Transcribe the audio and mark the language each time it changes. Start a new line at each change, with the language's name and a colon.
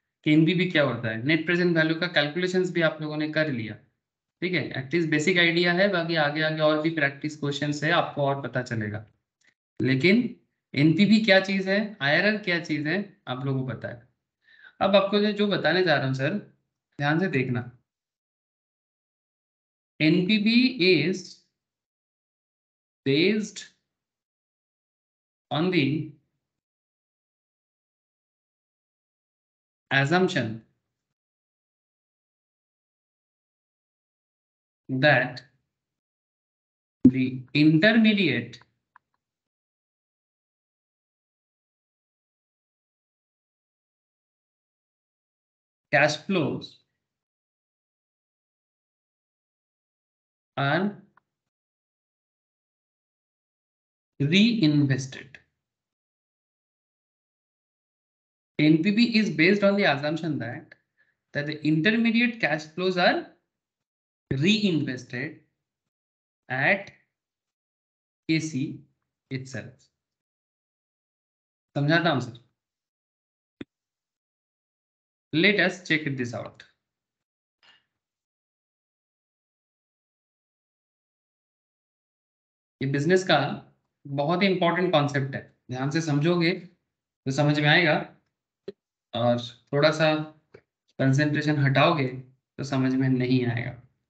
Hindi: KNV भी क्या होता है, नेट प्रेजेंट वैल्यू का कैलकुलेशंस भी आप लोगों ने कर लिया, ठीक है, एटलीस्ट बेसिक आइडिया है, बाकी आगे आगे और भी प्रैक्टिस क्वेश्चंस है आपको और पता चलेगा। लेकिन एनपीवी क्या चीज है, आईआरआर क्या चीज है, आप लोगों को पता है। अब आपको जो बताने जा रहा हूं सर, ध्यान से देखना।
English: NPV is based on the assumption that the intermediate cash flows are reinvested. NPV is based on the assumption that the intermediate cash flows are reinvested at AC itself.
Hindi: समझाता हूं sir,
English: Let us check it this out.
Hindi: ये business का बहुत ही important concept है, ध्यान से समझोगे तो समझ में आएगा, और थोड़ा सा कंसेंट्रेशन हटाओगे तो समझ में नहीं आएगा।